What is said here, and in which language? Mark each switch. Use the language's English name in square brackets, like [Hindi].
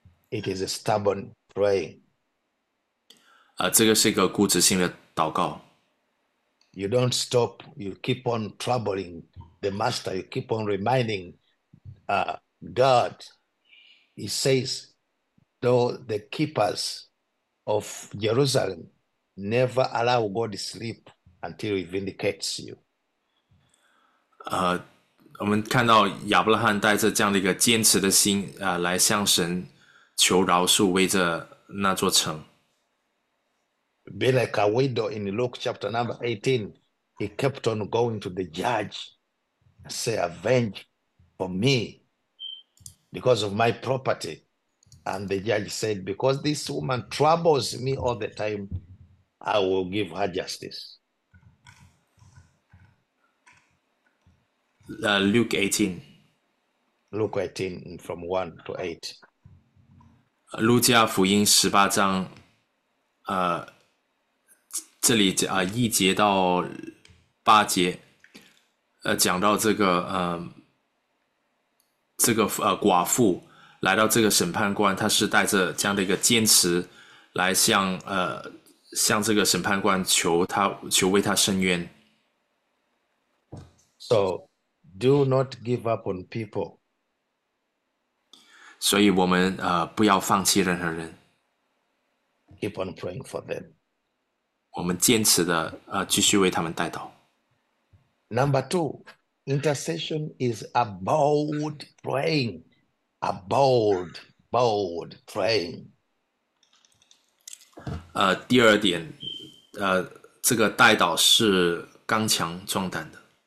[English] it is a stubborn praying. [Chinese] 这个是一个固执性的祷告。 [English] You don't stop, you keep on troubling the master, you keep on reminding God. He says, though the keepers of Jerusalem never allow God to sleep until he vindicates you. [Chinese] 我们看到亚伯拉罕带着这样的一个坚持的心啊，来向神求饶恕，为着那座城。 [English] Be like a widow in Luke chapter number 18. He kept on going to the judge and say, avenge for me because of my property. And the judge said, because this woman troubles me all the time, I will give her justice. Luke 18， Luke 18 from 1 to 8. [Chinese] 路加福音18章，这里1节到8节，讲到这个寡妇来到这个审判官，她是带着这样的一个坚持来向这个审判官求为她伸冤。 [English] So, do not give up on people. [Chinese] 所以我们不要放弃任何人， [English] Keep on praying for them. [Chinese] 我们坚持的继续为他们代祷。 [English] Number two, intercession is a bold praying, a bold praying. [Chinese] 第二点，这个代祷是刚强壮胆的。